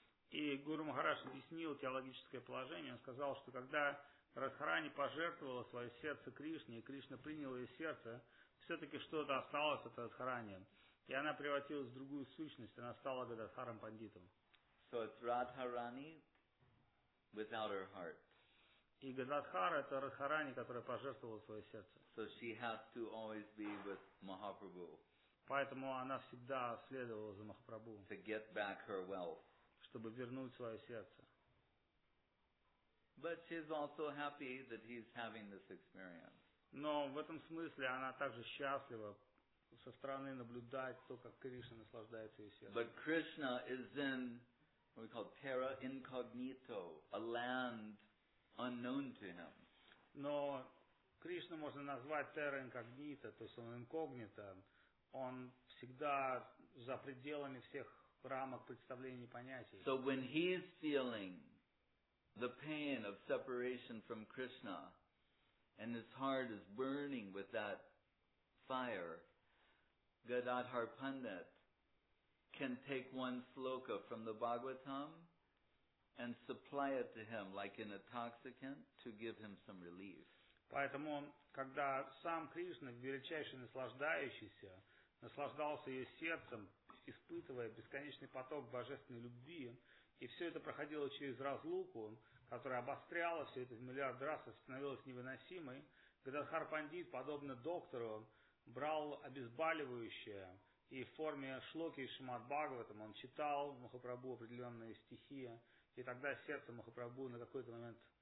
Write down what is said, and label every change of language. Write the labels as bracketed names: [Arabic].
[Russian] И Гуру Махараш объяснил теологическое положение. Он сказал, что когда Радхарани пожертвовала свое сердце Кришне, и Кришна принял ее сердце, все-таки что-то осталось от Радхарани. И она превратилась в другую сущность, она стала Гададхаром Пандитом. [English] So it's Radharani without her heart. [Russian] И Гададхара – это Радхарани, которая пожертвовала свое сердце. [English] So she has to always be with Mahaprabhu. [Russian] Поэтому она всегда следовала за Махапрабху. [English] To get back her wealth. [Russian] Чтобы вернуть свое сердце. [English] But she's also happy that he's having this experience. [Russian] Но в этом смысле она также счастлива со стороны наблюдать то, как Кришна наслаждается ее сердцем. [English] But Krishna is in what we call terra incognito, a land unknown to him. [Russian] Но Кришну можно назвать terra incognita, то есть он инкогнито. Он всегда за пределами всех рамок представлений и понятий. [English] So when he's feeling the pain of separation from Krishna and his heart is burning with that fire, Gadadhar Pandit can take one sloka from the Bhagavatam and supply it to him like an intoxicant to give him some relief. [Russian] Поэтому, когда сам Кришна, величайший наслаждающийся, наслаждался ее сердцем, испытывая бесконечный поток божественной любви, и все это проходило через разлуку, которая обостряла все это в миллиард раз и становилась невыносимой, Гададхар Пандит, подобно доктору, брал обезболивающее, и в форме шлоки из Шримад Бхагаватам он читал Махапрабху определенные стихи, и тогда сердце Махапрабху на какой-то момент